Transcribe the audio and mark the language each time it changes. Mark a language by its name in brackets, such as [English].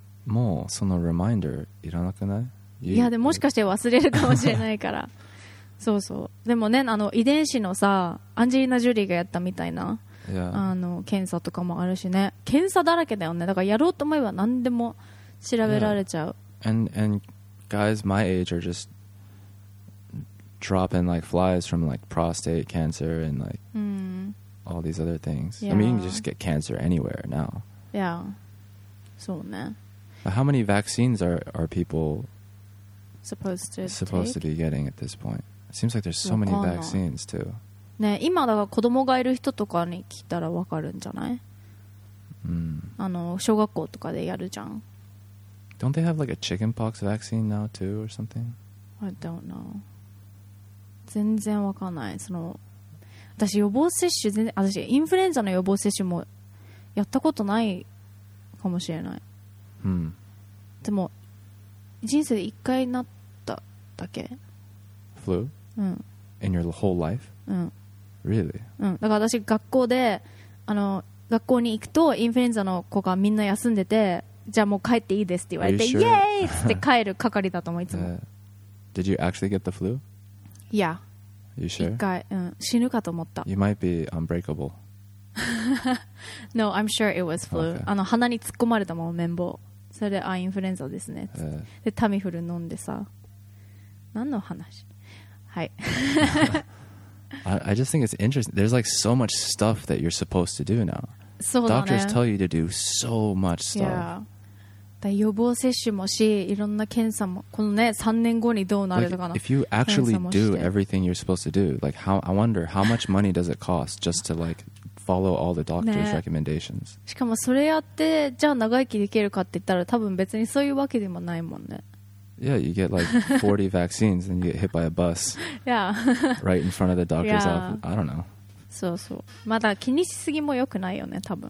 [Japanese] もうそのリマインダーいらなくない？いやでもしかして忘れるかもしれないからそうそう。でもね、遺伝子のさ、アンジェリーナ・ジュリーがやったみたいな、 [English] yeah. [Japanese] 検査とかもあるしね。検査だらけだよね。だからやろうと思えば何でも調べられちゃう、 [English] yeah. and guys my age are just dropping like flies from like prostate cancer and like、 mm. all these other things. Yeah. I mean, you can just get cancer anywhere now. Yeah. So, ne. But how many vaccines are people supposed to supposed take? To be getting at this point? It seems like there's so many vaccines too. [Japanese] ね、今だから子供がいる人とかに聞いたら分かるんじゃない、あの小学校とかでやるじゃん。 [English] Don't they have like a chicken pox vaccine now too or something? I don't know. [Japanese] 全然分かんない。その私予防接種全然、私インフルエンザの予防接種もやったことないかもしれない、でも人生で一回なっただけ。 [English] Flu?、In your whole life? Really? [Japanese] だから私学校で、あの学校に行くとインフルエンザの子がみんな休んでて、じゃあもう帰っていいですって言われて、 [English] Are you sure? [Japanese] イエーイって帰る係だと思う、いつも。 [English] Did you actually get the flu? Yeah. You sure? [Japanese] 一回、死ぬかと思った。 [English] You might be unbreakable. No, I'm sure it was flu.、Okay. [Japanese] あの鼻に突っ込まれたもん、綿棒。それで、あ、インフルエンザですね。で、タミフル飲んでさ。何の話？はい。 [English] I just think it's interesting. There's like so much stuff that you're supposed to do now. [Japanese] そうだね。 [English] Doctors tell you to do so much stuff. Yeah. [Japanese] だ予防接種もし、いろんな検査も、このね、3年後にどうなるとかの。 [English] If you actually do everything you're supposed to do, like how, I wonder how much money does it cost just to like follow all the doctor's recommendations? [Japanese] しかもそれやって、じゃあ長生きできるかって言ったら、多分別にそういうわけでもないもんね。 [English] Yeah, you get like 40 vaccines and you get hit by a bus. Yeah. Right in front of the doctor's office. I don't know. [Japanese] そうそう。まだ気にしすぎも良くないよね、多分。